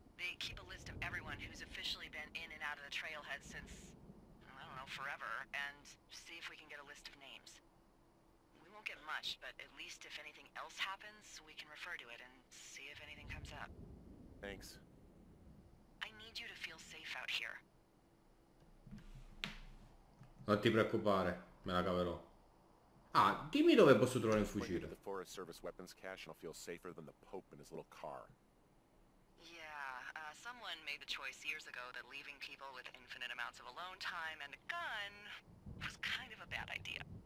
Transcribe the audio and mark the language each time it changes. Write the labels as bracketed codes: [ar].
[en] They keep a list of everyone who's officially been in and out of the trailhead since, I don't know, forever, and see if we can get a list of names. We won't get much, but at least if anything else happens, we can refer to it and see if anything comes up. Thanks. I need you to feel safe out here. [it] Non ti preoccupare, me la caverò. Ah, dimmi dove posso trovare il fucile. [en] Just point to the Forest Service weapons cache and I'll feel safer than the Pope in his little car. Yeah, someone made the choice years ago that leaving people with infinite amounts of alone time and a gun was kind of a bad idea.